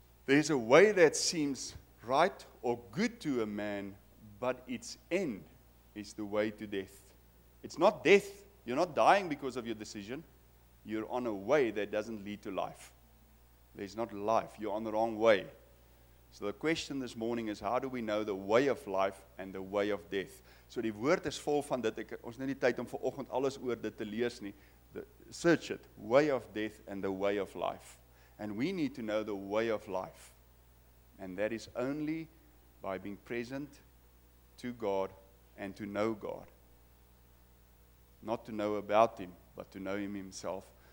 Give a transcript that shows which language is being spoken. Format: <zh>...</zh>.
<en>There is a way that seems right or good to a man, but its end is the way to death. It's not death. You're not dying because of your decision. You're on a way that doesn't lead to life. There's not life. You're on the wrong way. So the question this morning is, how do we know the way of life and the way of death?</en> <af>So die woord is vol van dit. Ek ons nie die tyd om vanoggend alles oor dit te lees nie.</af> <en>Search it. Way of death and the way of life. And we need to know the way of life. And that is only by being present to God and to know God. Not to know about Him, but to know Him Himself.</en>